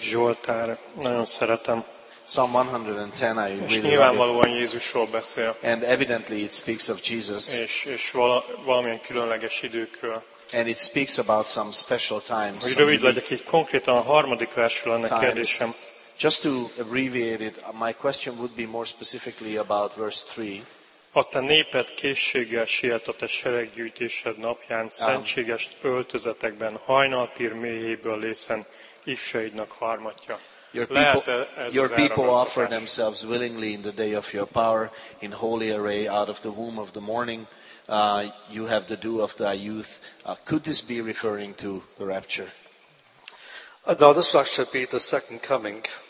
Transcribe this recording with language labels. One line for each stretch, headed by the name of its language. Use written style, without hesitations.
Hungarian: Zsoltár, nagyon szeretem.
English: Psalm 110, I really
Hungarian: és nyilvánvalóan Jézusról beszél.
English: And evidently it speaks of Jesus.
Hungarian: És valamilyen különleges időkről.
English: And it speaks about some special times.
Hungarian: Hogy rövid legyek, így konkrétan a harmadik versről lenne times. Kérdésem.
English: Just to abbreviate it, my question would be more specifically about verse 3.
Hungarian: A te néped készséggel siet a te sereggyűjtésed napján, szentséges öltözetekben, hajnalpír mélyéből lészen, ifjaidnak harmatja.
English: Your people offer themselves willingly in the day of your power, in holy array, out of the womb of the morning. You have the dew of thy youth. Could this be referring to the rapture? No, this will actually be the second coming.